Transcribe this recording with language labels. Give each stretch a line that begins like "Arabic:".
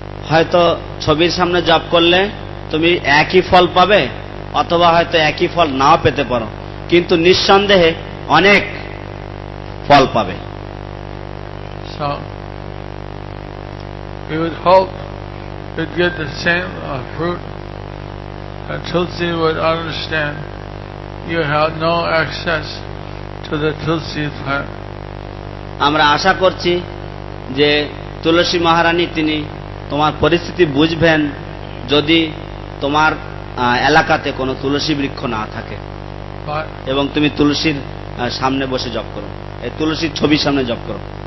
Bangla: হয়তো ছবির সামনে জপ করলে তুমি একই ফল পাবে অথবা হয়তো একই ফল নাও পেতে পারো কিন্তু নিঃসন্দেহে অনেক ফল পাবে
English: We would hope we'd get the same fruit and Tulsi would understand you have no access to the Tulsi plant.
Bangla: আমরা আশা করছি যে তুলসী মহারানী তিনি তোমার পরিস্থিতি বুঝবেন যদি তোমার এলাকাতে কোনো তুলসী বৃক্ষ না থাকে এবং তুমি তুলসীর সামনে বসে জপ করো তুলসীর ছবির সামনে জপ করো